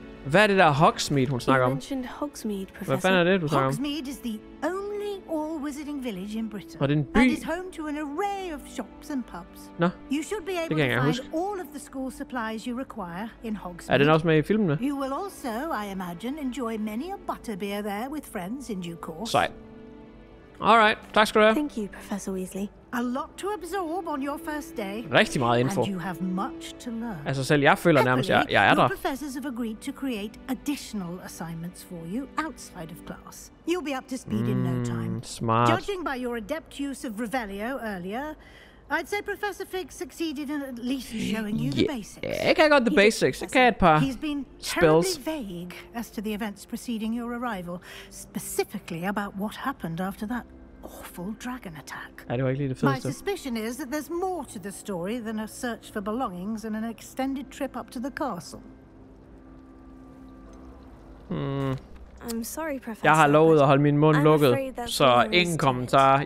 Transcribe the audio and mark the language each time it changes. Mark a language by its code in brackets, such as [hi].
[da] Hvad er det der Hogsmeade, hun snakker om? Hvad fanden er det, du snakker om? [en] Hogsmeade is the only all-wizarding village in Britain. [da] Og det er en by? [en] And is home to an array of shops and pubs. [da] Nå, [en] you should be able to find all of the school supplies you require in Hogsmeade. [da] Er den også med i filmene? [en] You will also, I imagine, enjoy many a butterbeer there with friends in due course. [da] Sejt. [en] All right. [da] Tak skal du have. [en] Thank you, Professor Weasley. A lot to absorb on your first day. [da] Rigtig meget info. [en] And you have much to learn. [da] Altså selv jeg føler nærmest jeg er der. [en] Professors have agreed to create additional assignments for you outside of class. You'll be up to speed in no time. Smart. Judging by your adept use of Revelio earlier, I'd say Professor Fig succeeded in at least showing you the basics. Yeah, I got the basics. Okay, [da] et par. [en] He's been terribly vague as to the events preceding your arrival, specifically about what happened after that awful dragon attack. I don't really feel my suspicion is that there's more to the story than a search for belongings and an extended trip up to the castle. I'm sorry, Professor. [da] Jeg har lovet at holde min mund lukket, så ingen kommentar.